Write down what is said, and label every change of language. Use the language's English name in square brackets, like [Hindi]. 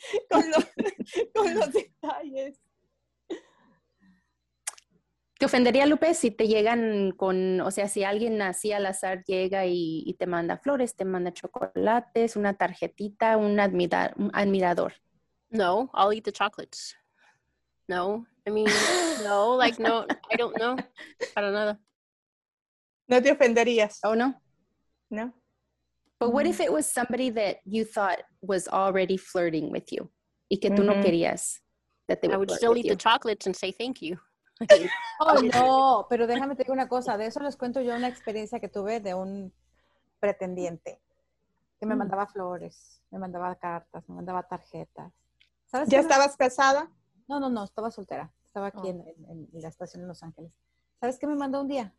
[Spanish] con los detalles. ¿Te ofendería, Lupe, si te llegan con, o sea, si alguien así al azar llega y te manda flores, te manda chocolates, una tarjetita, un admirador? [English] No, I'll eat the chocolates. No, I mean, no, like, no, I don't know, [Spanish] para nada. No te ofenderías. [English] Oh, no? [Spanish] No. [English] But what if it was somebody that you thought was already flirting with you, [Spanish] y que tú no querías [English] that they would still eat the chocolates and say thank you. [Spanish] Oh, no, pero déjame te digo una cosa. De eso les cuento yo una experiencia que tuve de un pretendiente que me mandaba flores, me mandaba cartas, me mandaba tarjetas. ¿Sabes? ¿Ya estabas casada? No, no, no, estaba soltera. Estaba aquí en la estación de Los Ángeles. ¿Sabes qué me mandó un día?